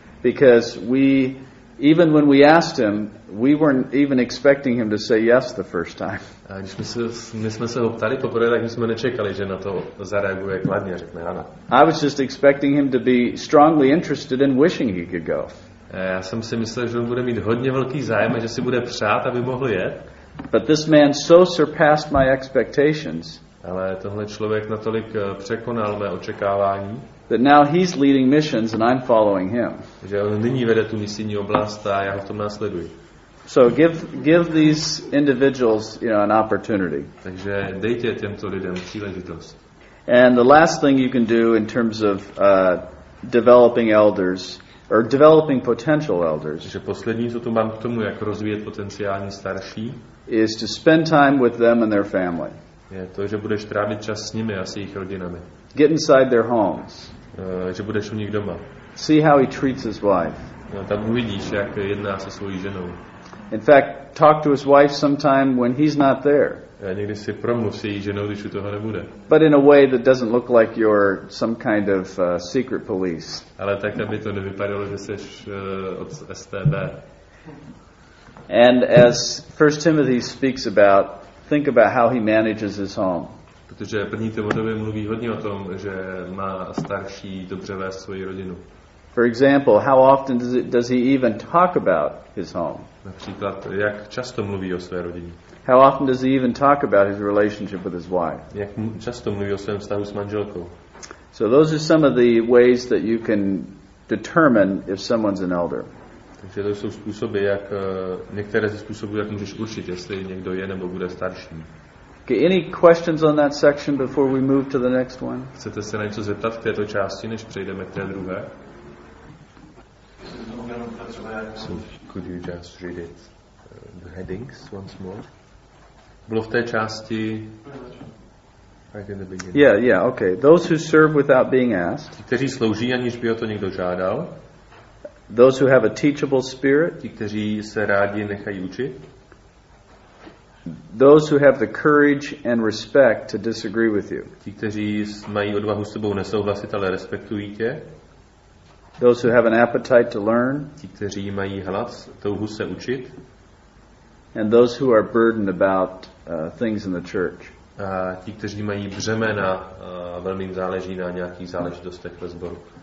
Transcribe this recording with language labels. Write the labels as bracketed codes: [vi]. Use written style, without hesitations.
[en] Because we Even when we asked him, we weren't even expecting him to say yes the first time. [cs] A když my jsme se ho ptali poprvé, tak jsme nečekali, že na to zareaguje kladně a řekne ano. [en] I was just expecting him to be strongly interested in wishing he could go. [cs] Já jsem si myslel, že on bude mít hodně velký zájem a že si bude přát, aby mohl jet. [en] But this man so surpassed my expectations. [cs] Ale tohle člověk natolik překonal mé očekávání. [en] That now he's leading missions and I'm following him. [cs] Že on nyní vede tu misijní oblast a já ho v tom následuji. [en] So give these individuals, you know, an opportunity. [cs] Takže dejte těmto lidem příležitost. [en] And the last thing you can do in terms of developing elders or developing potential elders. [cs] Že poslední, co tu mám k tomu, jak rozvíjet potenciální starší, [en] is to spend time with them and their family. [cs] Je to, že budeš trávit čas s nimi a s jejich rodinami. [en] Get inside their homes. [cs] Že budeš u nich doma. [en] See how he treats his wife. [cs] No, tam uvidíš, jak jedná se svojí ženou. [en] In fact, talk to his wife sometime when he's not there. [cs] A někdy si promluv s její ženou, když u toho nebude. [en] But in a way that doesn't look like you're some kind of secret police. [cs] Ale tak, aby to nevypadalo, že jsi od STB. [en] And as 1 Timothy speaks about, think about how he manages his home. [cs] Protože první Timoteovi mluví hodně o tom, že má starší dobře vést svoji rodinu. [en] For example, how often does he even talk about his home? [cs] Například, jak často mluví o své rodině? [en] How often does he even talk about his relationship with his wife? [cs] Jak často mluví o svém vztahu s manželkou? [en] So those are some of the ways that you can determine if someone's an elder. [cs] Takže to jsou způsoby, jak některé ze způsobů, jak můžeš určit, jestli někdo je nebo bude starší. [en] Okay, any questions on that section before we move to the next one? [cs] Chcete se na něco zeptat v této části, než přejdeme k té druhé? [en] So, could you just read it, the headings once more? [cs] Bylo v té části, [en] right in the beginning. Yeah, okay. Those who serve without being asked. [cs] Kteří slouží, aniž by o to někdo žádal. [en] Those who have a teachable spirit. [cs] Ti, kteří se rádi nechají učit. [en] Those who have the courage and respect to disagree with you. [cs] Ti, kteří mají odvahu s tebou nesouhlasit, ale respektují tě. [en] Those who have an appetite to learn. [cs] Ti, kteří mají hlad, touhu se učit. [en] And those who are burdened about things in the church. [cs] A ti, kteří mají břemena, velmi záleží na nějakých záležitostech ve sboru.